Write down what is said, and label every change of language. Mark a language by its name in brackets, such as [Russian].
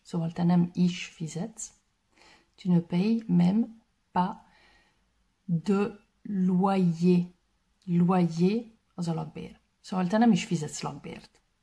[Hungarian] Szóval te nem is fizetsz. [French] Tu ne payes même pas de loyer. [Hungarian] Loyer az a lakbér. Szóval te nem is fizetsz lakbért.